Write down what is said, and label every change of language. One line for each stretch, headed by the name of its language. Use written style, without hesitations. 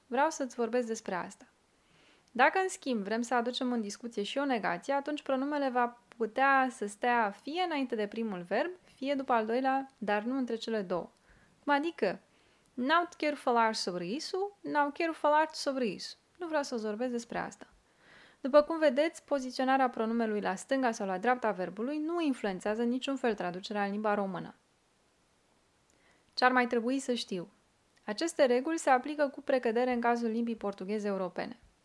Romanian: Vreau să-ți vorbesc despre asta. Dacă, în schimb, vrem să aducem în discuție și o negație, atunci pronumele va putea să stea fie înainte de primul verb, fie după al doilea, dar nu între cele două. Cum adică?
Portuguese: Não te quero falar sobre isso, não quero falar-te sobre isso.
Romanian: Nu vreau să-ți vorbesc despre asta. După cum vedeți, poziționarea pronumelui la stânga sau la dreapta verbului nu influențează niciun fel traducerea în limba română. Ce ar mai trebui să știu? Aceste reguli se aplică cu precădere în cazul limbii portugheze europene.